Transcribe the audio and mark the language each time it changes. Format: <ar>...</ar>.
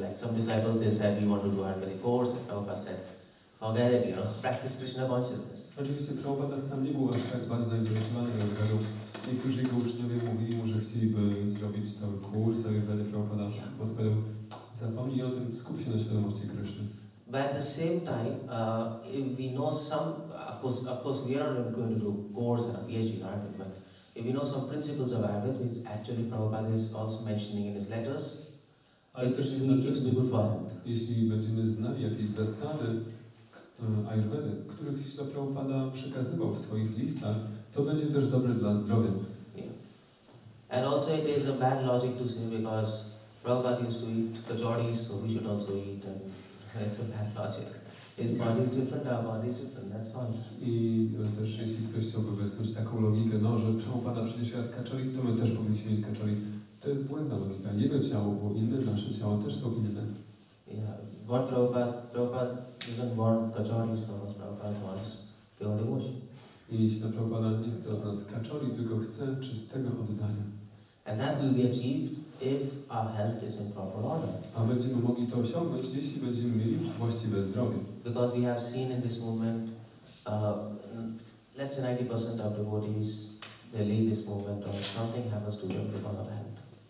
<en>Like some disciples, they said, we want to do Ayurveda course, and Prabhupada said, forget it, practice Krishna consciousness.</en> <pl>Oczywiście Prabhupada sam nie był aż tak bardzo zainteresowany Ayurvedą. Niektórzy jego uczniowie mówili mu, że chcieliby zrobić cały kurs Ayurvedy. Prabhupada odpowiadał, zapomnij o tym, skup się na świadomości Krishna.</pl> <en>But at the same time, if we know some, of course, we are not going to do course and a PhD in Ayurveda, but if we know some principles of Ayurveda, which actually Prabhupada is also mentioning in his letters, it should be good for health.</en> <pl>Jeśli będziemy znali jakieś zasady Ayurvedy, których Śrīla Prabhupada przekazywał w swoich listach, to będzie też dobre dla zdrowia.</pl> <en>Yeah. And also it is a bad logic to say, because Prabhupada used to eat kajoris, so we should also eat. And it's a bad logic. His body is different, our body is different, that's fine.</en> <pl>I też jeśli ktoś chciałby wysnuć taką logikę, no, że Prabhupada przecież jadł kaczori, to my też powinniśmy mieć kaczori. To jest błędna logika. Jego ciało było inne, nasze ciało też są inne.</pl> <en>Yeah, what Prabhupada doesn't want kaczori, so much Prabhupada wants The only wish.</en> <pl>I Śrīla Prabhupāda nie chce od nas kaczoli, tylko chce czystego oddania.</pl> <en>And that will be achieved if our health is in proper order.</en> <pl>A będziemy mogli to osiągnąć, jeśli będziemy mieli właściwe zdrowie.</pl> <en>Because we have seen in this movement, let's say 90% of devotees, they leave this movement or something happens to them because of health.</en>